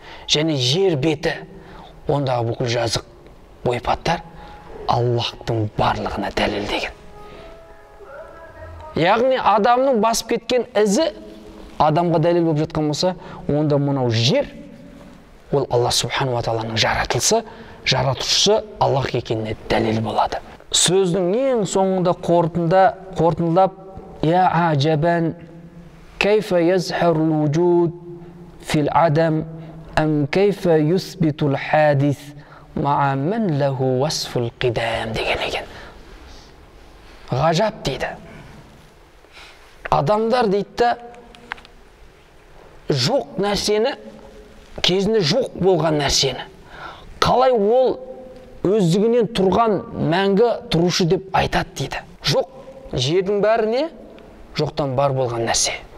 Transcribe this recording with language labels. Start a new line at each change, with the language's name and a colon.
Kazakh: Және жер беті, ондағы бүкіл жазық ойпаттар Аллахтың барлығына дәлел деген. Яғни адамның басып кеткен ізі адамға дәлел болып жатқан болса, онда мынау жер ол Алла Субхану ва Тааланың жаратылысы, жаратушысы Аллах екеніне дәлел болады. Сөздің ең соңында қорытындылап, я ғажабан
Arabic: كيف يزهر الوجود في العدم أم كيف يثبت الحادث مع من له وصف القدام
Kazakh: деген екен. Ғажап дейді. Адамдар дейді, жоқ нәрсені, кезінде жоқ болған нәрсені, қалай ол өздігінен тұрған мәңгі тұрушы деп айтады дейді. Жоқ жердің бәрі не? Жоқтан бар болған нәрсе.